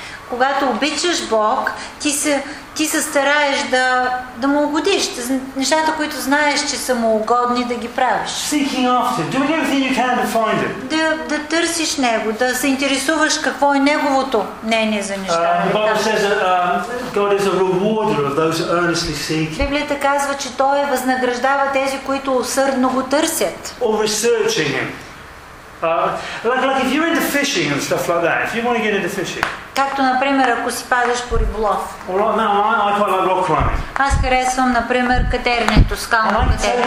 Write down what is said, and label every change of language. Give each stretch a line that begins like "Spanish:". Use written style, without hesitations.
Bulgarian: Когато обичаш Бог, ти се стараеш да му угодиш. Нещата, които знаеш, че са му угодни, да ги правиш.
English: Seeking after, doing everything you can to find it.
Bulgarian: Да търсиш него, да се интересуваш какво е неговото мнение за нещата. Библията казва, че той възнаграждава тези, които усърдно го търсят.
English: Or researching him. Like if you're into fishing and stuff like that, if you want to get into fishing.
Bulgarian: Както например, ако си падаш по риболов.
English: I quite like rock climbing.
Bulgarian: Аз харесвам например катерането, скално катерене.